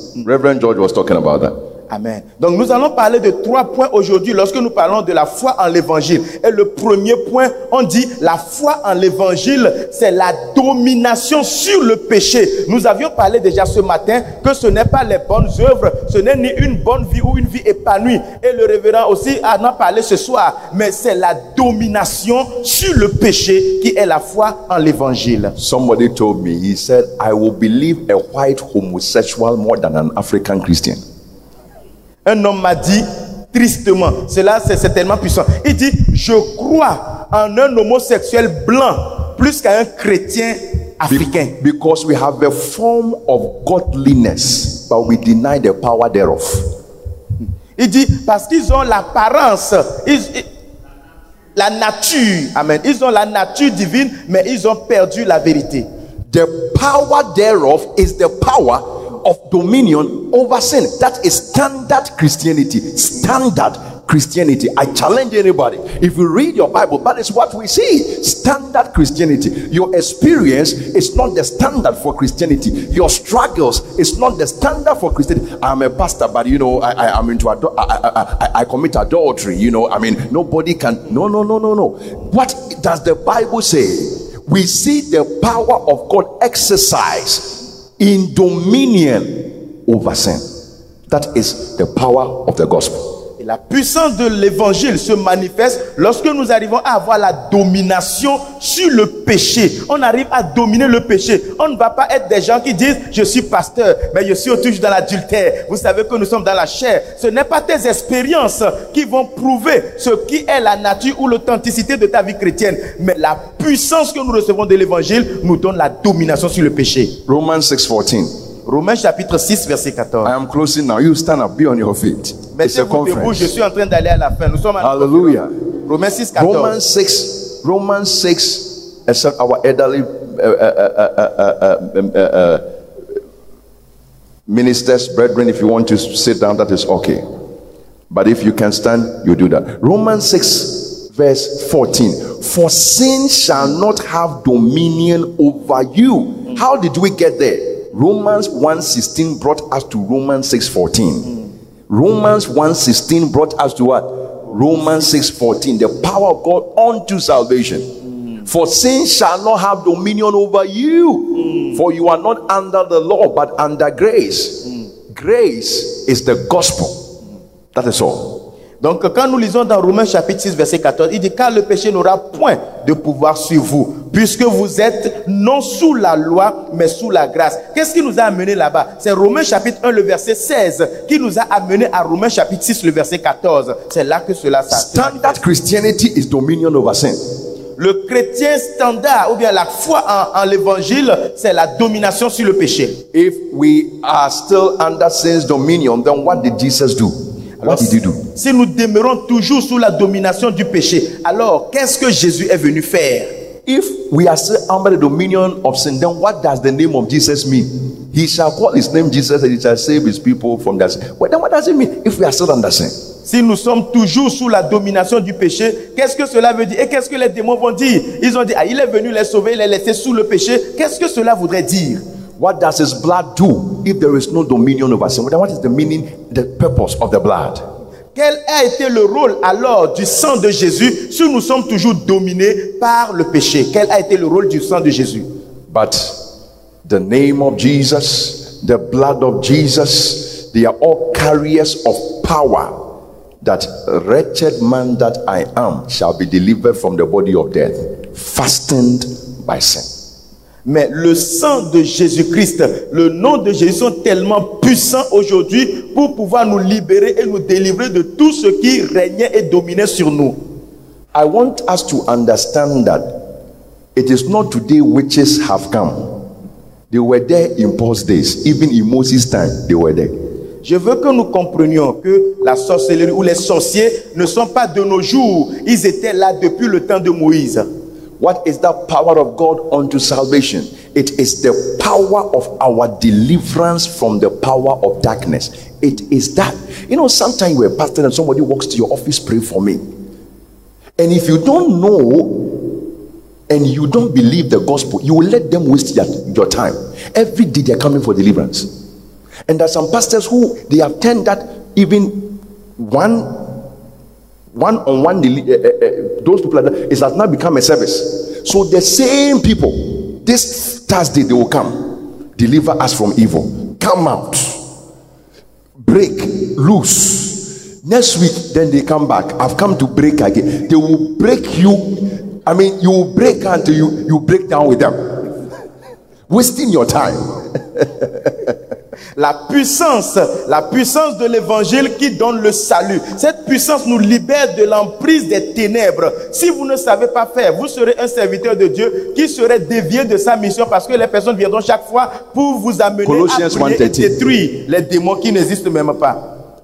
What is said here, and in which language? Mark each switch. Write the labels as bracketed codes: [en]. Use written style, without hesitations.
[en] Reverend George was talking about that. Amen. [fr] Donc nous allons parler de trois points aujourd'hui lorsque nous parlons de la foi en l'évangile. Et le premier point, on dit la foi en l'évangile, c'est la domination sur le péché. Nous avions parlé déjà ce matin que ce n'est pas les bonnes œuvres, ce n'est ni une bonne vie ou une vie épanouie. Et le révérend aussi en a parlé ce soir, mais c'est la domination sur le péché qui est la foi en l'évangile. [en] Somebody told me, he said, I will believe a white homosexual more than an African Christian. [fr] Un homme m'a dit, tristement, cela c'est tellement puissant. Il dit, je crois en un homosexuel blanc plus qu'à un chrétien africain. [en] Because we have a form of godliness, but we deny the power thereof. [fr] Il dit, parce qu'ils ont l'apparence, la nature, amen. Ils ont la nature divine, mais ils ont perdu la vérité. [en] The power thereof is the power of dominion over sin. That is standard Christianity. Standard Christianity. I challenge anybody. If you read your Bible, that is what we see. Standard Christianity. Your experience is not the standard for Christianity. Your struggles is not the standard for Christianity. I'm a pastor, but you know, I commit adultery. You know, I mean, nobody can. No, no, no, no, no. What does the Bible say? We see the power of God exercised in dominion over sin. That is the power of the gospel. [fr] Et la puissance de l'évangile se manifeste lorsque nous arrivons à avoir la domination sur le péché. On arrive à dominer le péché. On ne va pas être des gens qui disent, je suis pasteur, mais je suis toujours dans l'adultère. Vous savez que nous sommes dans la chair. Ce n'est pas tes expériences qui vont prouver ce qui est la nature ou l'authenticité de ta vie chrétienne. Mais la puissance que nous recevons de l'évangile nous donne la domination sur le péché. Romains 6:14. Romains chapitre 6 verset 14. [en] I am closing now. You stand up, be on your feet. [fr] Mettez-vous debout, je suis en train d'aller à la fin. Nous sommes à la Hallelujah. Romains 6 14. [en] Romans 6, except our elderly ministers, brethren, if you want to sit down, that is okay. But if you can stand, you do that. Romans 6 verse 14. For sin shall not have dominion over you. How did we get there? Romans 1:16 brought us to Romans 6:14. Romans 1:16 brought us to what? Romans 6:14. The power of God unto salvation. For sin shall not have dominion over you. For you are not under the law, but under grace. Grace is the gospel. That is all. [fr] Donc, quand nous lisons dans Romains chapitre 6, verset 14, il dit, car le péché n'aura point de pouvoir sur vous, puisque vous êtes non sous la loi, mais sous la grâce. Qu'est-ce qui nous a amené là-bas? C'est Romains chapitre 1, le verset 16, qui nous a amené à Romains chapitre 6, le verset 14. C'est là que cela s'est passé. [en] Standard Christianity is dominion over sin. [fr] Le chrétien standard, ou bien la foi en l'évangile, c'est la domination sur le péché. [en] If we are still under sin's dominion, then what did Jesus do? [fr] Alors, si nous demeurons toujours sous la domination du péché, alors qu'est-ce que Jésus est venu faire? [en] If we are still under the dominion of sin, then what does the name of Jesus mean? He shall call his name Jesus and he shall save his people from their sin. But then what does it mean if we are still under sin? [fr] Si nous sommes toujours sous la domination du péché, qu'est-ce que cela veut dire? Et qu'est-ce que les démons vont dire? Ils ont dit, ah, il est venu les sauver, les laisser sous le péché. Qu'est-ce que cela voudrait dire? [en] What does his blood do if there is no dominion over sin? What is the meaning, the purpose of the blood? [fr] Quel a été le rôle alors du sang de Jésus si nous sommes toujours dominés par le péché? Quel a été le rôle du sang de Jésus? [en] But the name of Jesus, the blood of Jesus, they are all carriers of power that wretched man that I am shall be delivered from the body of death, fastened by sin. [fr] Mais le sang de Jésus-Christ, le nom de Jésus sont tellement puissants aujourd'hui pour pouvoir nous libérer et nous délivrer de tout ce qui régnait et dominait sur nous. [en] I want us to understand that it is not today witches have come. They were there in Paul's days, even in Moses' time, they were there. [fr] Je veux que nous comprenions que la sorcellerie ou les sorciers ne sont pas de nos jours. Ils étaient là depuis le temps de Moïse. [en] What is the power of God unto salvation? It is the power of our deliverance from the power of darkness. It is that. You know, sometimes you're a pastor and somebody walks to your office, pray for me. And if you don't know and you don't believe the gospel, you will let them waste your time. Every day they're coming for deliverance. And there are some pastors who they have turned that even those people like that, it has now become a service. So the same people, this Thursday they will come, deliver us from evil, come out, break loose. Next week, then they come back. I've come to break again. They will break you. I mean, you will break until you break down with them. Wasting your time. [fr] La puissance de l'évangile qui donne le salut. Cette puissance nous libère de l'emprise des ténèbres. Si vous ne savez pas faire, vous serez un serviteur de Dieu qui serait dévié de sa mission parce que les personnes viendront chaque fois pour vous amener Colossiens à prier et détruire les démons qui n'existent même pas.